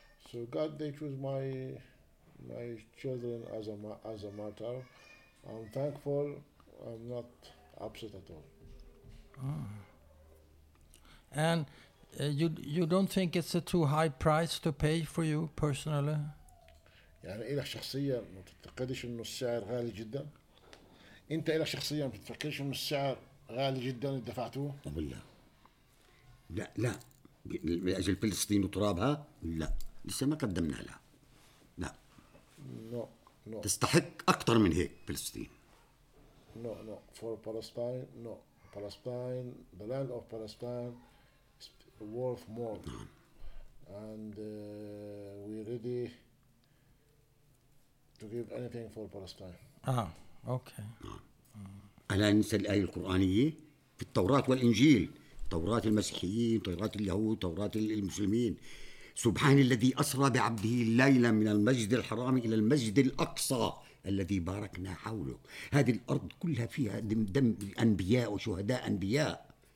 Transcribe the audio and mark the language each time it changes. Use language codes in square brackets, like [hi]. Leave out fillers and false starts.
[en] So God, they choose my children as a martyr. I'm thankful. I'm not upset at all. And you don't think it's a too high price to pay for you personally? [ar] يعني إلى شخصية ما تعتقدش إنه السعر غالي جدا. أنت إلى شخصية ما تفكرش إنه السعر غالي جدا اللي دفعته؟ بالله. لا لا. لأجل فلسطين وترابها لا. لسه ما قدمنا لها. لا. [en] No. [ar] تستحق أكثر من هيك فلسطين. [en] No. For Palestine. No. Palestine. The land of Palestine. Worth more, and we ready to give anything for Palestine. Ah, okay. [ar] ألا ننسى الآية القرآنية في التوراة والإنجيل، توراة المسيحيين، توراة اليهود، توراة المسلمين. سبحان الذي أسرى بعبده ليلا من المسجد الحرام إلى المسجد الأقصى الذي باركنا حوله. هذه الأرض كلها فيها دم أنبياء وشهداء أنبياء.